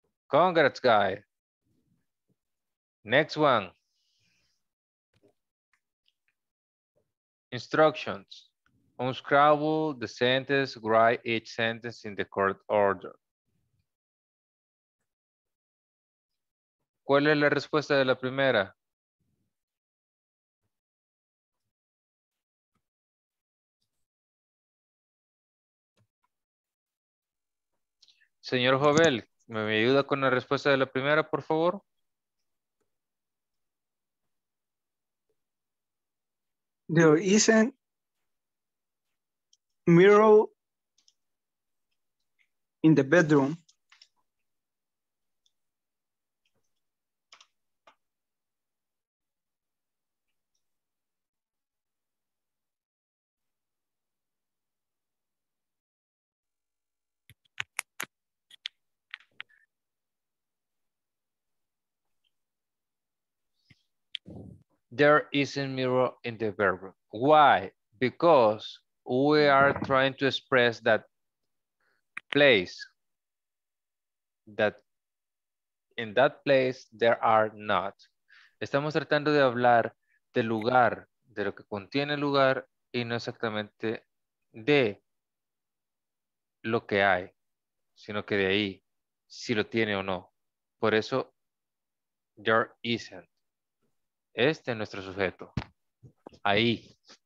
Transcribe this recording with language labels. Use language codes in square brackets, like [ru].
[en] Congrats, guy. Next one. Instructions. Unscrabble the sentence, write each sentence in the correct order. [es] ¿Cuál es la respuesta de la primera? Señor Jovel, ¿me ayuda con la respuesta de la primera, por favor? [en] There isn't mirror in the bedroom. Thank you. There isn't a mirror in the bedroom. Why? Because we are trying to express that place, that in that place there are not. [es] Estamos tratando de hablar del lugar, de lo que contiene el lugar, y no exactamente de lo que hay, sino que de ahí, si lo tiene o no. Por eso, [en] there isn't. [es] Este es nuestro sujeto. Ahí.